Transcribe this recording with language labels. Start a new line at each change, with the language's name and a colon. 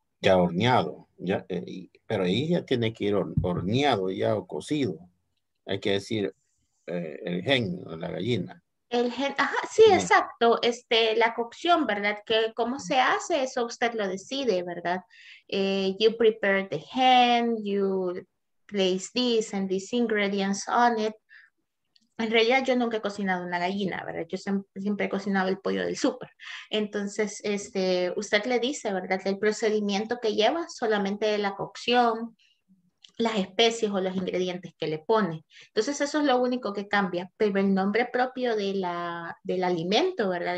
Spanish: Ya horneado, ya, pero ahí ya tiene que ir horneado ya o cocido. Hay que decir el hen, la gallina. El gen, ajá, sí, exacto, la cocción, ¿verdad? Que cómo se hace, eso usted lo decide, ¿verdad?
English: You prepare the hen, you place this and these ingredients on it.
Spanish: En realidad yo nunca he cocinado una gallina, ¿verdad? Yo siempre he cocinado el pollo del súper. Entonces, usted le dice, ¿verdad? El procedimiento que lleva solamente de la cocción, las especies o los ingredientes que le pone. Entonces eso es lo único que cambia, pero el nombre propio del alimento, ¿verdad?